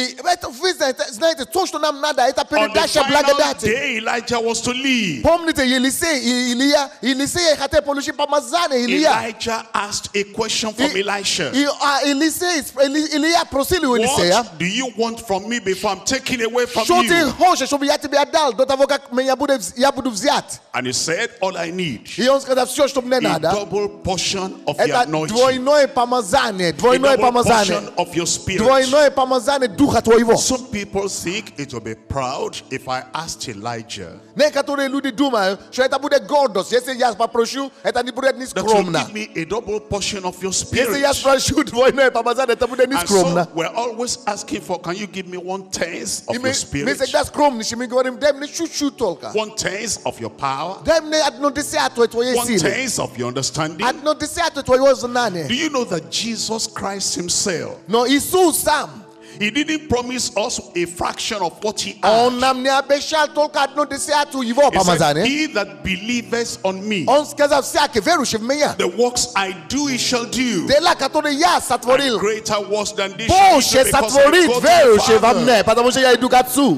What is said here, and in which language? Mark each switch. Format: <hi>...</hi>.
<en>On the final day, Elijah was to leave.</en> <ru>Помните, Елисей хотел получить помазание.</ru> <en>Elijah asked a question from Elisha. What do you want from me before I'm taken away from you? And he said, all I need is a double portion of your anointing. Double portion of your spirit. Some people think it will be proud if I asked Elijah.</en> <ru>Некоторые люди думают, что это будет гордость, если я попрошу, это не будет будет не скромно.</ru> <en>That you give me a double portion of your spirit.</en> <ru>Если я спрошу твоего помазания, это будет не скромно.</ru> <en>So we're always asking for, can you give me one tenth of your spirit?</en> <ru>Мы всегда скромны, если мы говорим, дай мне чуть-чуть только.</ru> <en>One tenth of your power.</en> <ru>Дай мне одно десятое твоей силы.</ru> <en>One tenth of your understanding.</en> <ru>Одно десятое твоего знания.</ru> <en>Do you know that Jesus Christ Himself?</en> <ru>Но Иисус сам.</ru> <en>He didn't promise us a fraction of what he had. He said, he that believes on me, the works I do he shall do. And greater works than this shall he do because I go to Father.</en>